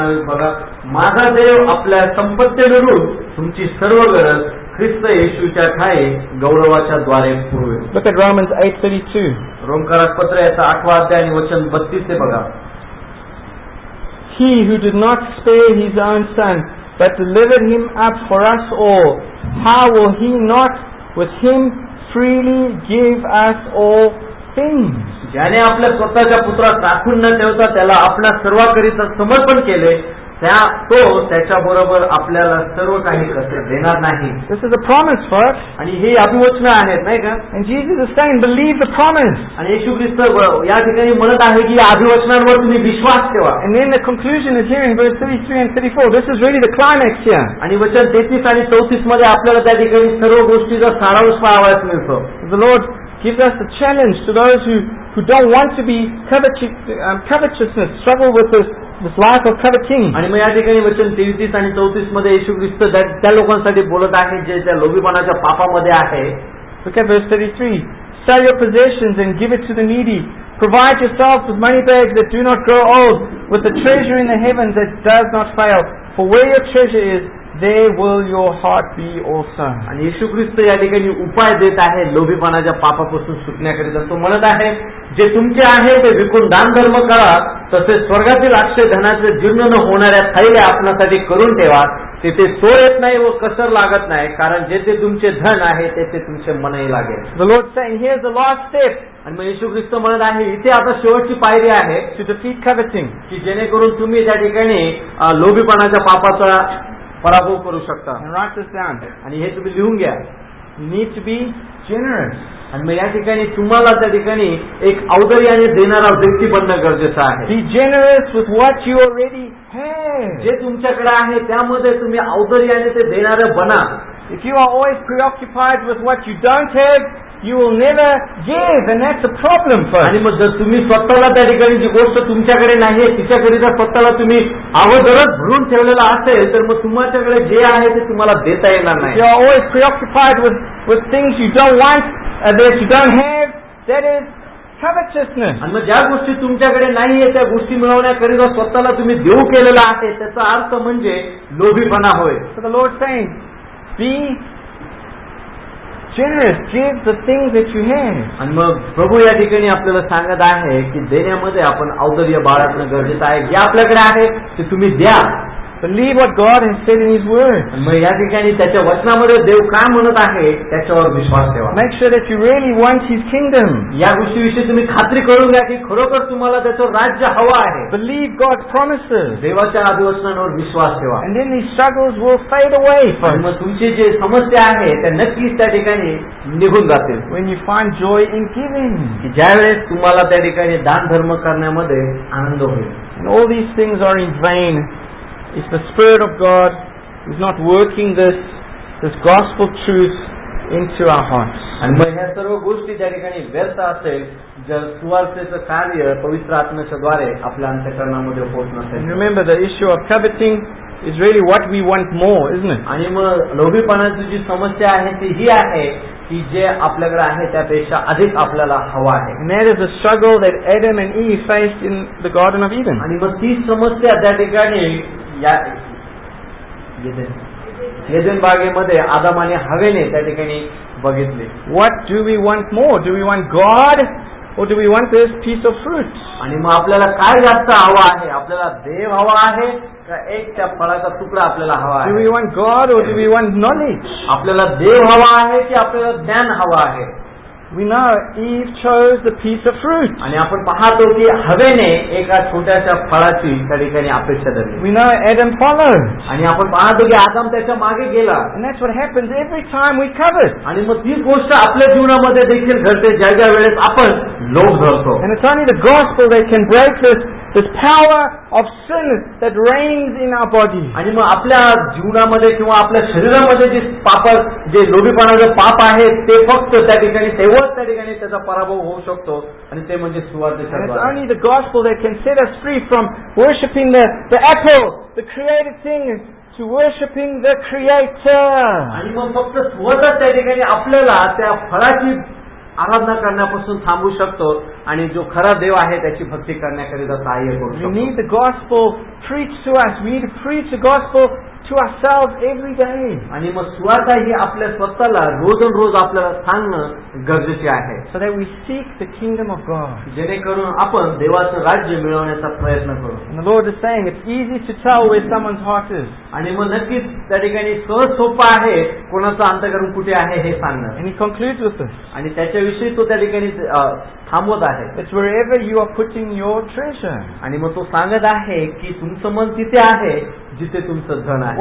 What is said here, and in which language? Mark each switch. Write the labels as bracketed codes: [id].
[mr] माझा देव आपल्या संपत्तीनुरूप तुमची सर्व गरज ख्रिस्त येशूच्या ठाई गौरवाच्या द्वारे पुरवेल. [en] Look at Romans 8:32. [mr] रोमकारपत्र याचा 8वा अध्याय आणि वचन 32 ते बघा. [en] He who did not spare his own son, but delivered him up for us all, how will he not with him freely give us all things? [mr] ज्याने आपल्या स्वतःच्या पुत्रास राखून न ठेवता त्याला आपल्या सर्वाकरिता समर्पण केले त्या तो त्याच्याबरोबर आपल्याला सर्व काही कसे देणार नाही. [en] This is a promise for us. [mr] आणि हे अभिवचन आहे नाही का. [en] And Jesus is saying, believe the promise. [mr] आणि येशू ख्रिस्त या ठिकाणी म्हणत आहे की अभिवचनांवर तुम्ही विश्वास ठेवा. [en] And then the conclusion is here in verse 33 and 34. This is really the climax here. [mr] आणि वचन 33 आणि 34 मध्ये आपल्याला त्या ठिकाणी सर्व गोष्टीचा सारांश पाहावयास मिळतो. [en] The Lord gives us a challenge to those who don't want to be covetousness, struggle with this life of coveting. [mr] आणि मग या ठिकाणी वचन 33 आणि 34 मध्ये येशू ख्रिस्त त्या लोकांसाठी बोलत आहे जे त्या लोभीपणाच्या पापामध्ये आहे. [en] Okay, verse 33. Sell your possessions and give it to the needy. Provide yourself with money bags that do not grow old, with the treasure in the heavens that does not fail. For where your treasure is, there will your heart be also. [mr] आणि येशू ख्रिस्त या ठिकाणी उपाय देत आहे लोभीपणाच्या पापापासून सुटण्याकरिता. तो म्हणत आहे जे तुमचे आहे ते विकून दानधर्म करा, तसे स्वर्गातील अक्षय धनाचे जीर्ण न होणाऱ्या थैल्या आपणासाठी करून ठेवा. तिथे चोर येत नाही व कसर लागत नाही, कारण जेथे तुमचे धन आहे तेथे तुमचे मनही लागेल. [en] The Lord saying, here's the last step. [mr] आणि मग येशू ख्रिस्त म्हणत आहे इथे आता शेवटची पायरी आहे. [en] To defeat coveting. [mr] की जेणेकरून तुम्ही त्या ठिकाणी लोभीपणाच्या पापाचा पराभव करू शकता. [en] And write this down. [mr] आणि हे तुम्ही लिहून घ्या. [en] You need to be generous. [mr] आणि मग या ठिकाणी तुम्हाला त्या ठिकाणी एक औदर्याने देणारा व्यक्ती बनणं गरजेचं आहे. [en] Be generous with what you already have. [mr] जे तुमच्याकडे आहे त्यामध्ये तुम्ही औदर्याने ते देणारं बना. [en] If you are always preoccupied with what you don't have, you will never give, and that's a problem for us. [mr] आणि मग जर तुम्ही स्वतःला त्या ठिकाणी जी गोष्ट तुमच्याकडे नाही तिच्याकरिता स्वतःला तुम्ही अवघरच भरून ठेवलेलं असेल तर मग तुमच्याकडे जे आहे ते तुम्हाला देता येणार नाही. [en] You are always preoccupied with things you don't want, that you don't have, that is covetousness. [mr] आणि मग ज्या गोष्टी तुमच्याकडे नाही आहे त्या गोष्टी मिळवण्याकरिता स्वतःला तुम्ही देऊ केलेला आहे त्याचा अर्थ म्हणजे लोभीपणा होय. [en] So the Lord saying, be generous, give the things that you have. [mr] आणि मग प्रभू या ठिकाणी आपल्याला सांगत आहे की देण्यामध्ये आपण औदर्य बाळगणं गरजेचं आहे. जे आपल्याकडे आहे ते तुम्ही द्या. [en] Believe what God has said in His Word. [mr] मग या ठिकाणी त्याच्या वचनामध्ये देव काय म्हणत आहे त्याच्यावर विश्वास ठेवा. [en] Make sure that you really want His kingdom. [mr] या गोष्टीविषयी तुम्ही खात्री करून घ्या की खरोखर तुम्हाला त्याचं राज्य हवं आहे. [en] Believe God's promises. [mr] देवाच्या अभिवचनांवर विश्वास ठेवा. [en] And then these struggles will fade away. [mr] मग तुमची जे समस्या आहे त्या नक्कीच त्या ठिकाणी निघून जातील. [en] When you find joy in giving. [mr] ज्यावेळेस तुम्हाला त्या ठिकाणी दानधर्म करण्यामध्ये आनंद होईल. [en] And all these things are in vain if the Spirit of God is not working this gospel truth into our hearts. [mr] आणि मग ह्या सर्व गोष्टी त्या ठिकाणी व्यर्थ असेल जर सुवार्तेचं कार्य पवित्र आत्म्याच्या द्वारे आपल्या अंतकरणामध्ये होत नसेल. [en] Remember the issue of coveting is really what we want more, isn't. [mr] आणि मग लोभीपणाची जी समस्या आहे ती ही आहे की जे आपल्याकडे आहे त्यापेक्षा अधिक आपल्याला हवा आहे. [en] More is a struggle that Adam and Eve faced in the garden of Eden. [mr] आणि मग ती समस्या त्या ठिकाणी येदेन बागेमध्ये आदम आणि हवेने त्या ठिकाणी बघितले. [en] What do we want more, do we want God or do we want this piece of fruit. [mr] आणि मग आपल्याला काय जास्त हवा आहे, आपल्याला देव हवा आहे का एक त्या फळाचा तुकडा आपल्याला हवा आहे. [en] Do we want God or do we want knowledge. [mr] आपल्याला देव हवा आहे की आपल्याला ज्ञान हवं आहे. [en] We know Eve chose the piece of fruit. [mr] आणि आपण पाहतो की हवेने एका छोट्याशा फळाची त्या ठिकाणी अपेक्षा धरली. [en] We know Adam followed. [mr] आणि आपण पाहतो की आदम त्याच्या मागे गेला. [en] And that's what happens every time we covet. [mr] आणि मग तीच गोष्ट आपल्या जीवनामध्ये देखील घडते ज्या ज्या वेळेस आपण लोभ धरतो. [en] And it's only the gospel that can break this power of sin that reigns in our body. [mr] आणि मग आपल्या जीवनामध्ये किंवा आपल्या शरीरामध्ये जे पाप, जे लोभीपणाचे पाप आहे ते फक्त त्या ठिकाणी तेव्हाच त्या ठिकाणी त्याचा पराभव होऊ शकतो. आणि ते म्हणजे सुवार्तेचे [en] the gospel that can set us free from worshipping the apple, the created thing, to worshipping the creator. [mr] आणि मग फक्त सुवार्ता त्या ठिकाणी आपल्याला त्या फळाची आराधना करण्यापासून थांबू शकतो आणि जो खरा देव आहे त्याची भक्ती करण्याकरिता सहाय्य करू शकतो. [en] We need the gospel preached to us. We need to preach the gospel to ourselves every day. [mr] आणि मग सुवार्ता ही आपल्या स्वतःला रोज रोज आपल्याला सांगणं गरजेचे आहे. [en] So that we seek the kingdom of God. [mr] जेणेकरून आपण देवाचं राज्य मिळवण्याचा प्रयत्न करू. [en] And the Lord is saying it's easy to tell where someone's heart is. [mr] आणि मग नक्कीच त्या ठिकाणी सहज सोपं आहे कोणाचं अंतकरण कुठे आहे हे सांगणं. [en] And he concludes with this. [mr] आणि त्याच्याविषयी तो त्या ठिकाणी थांबवत आहे. [en] It's wherever you are putting your treasure. [mr] आणि मग तो सांगत आहे की तुमचं मन तिथे आहे जिथे तुमचं धन आहे.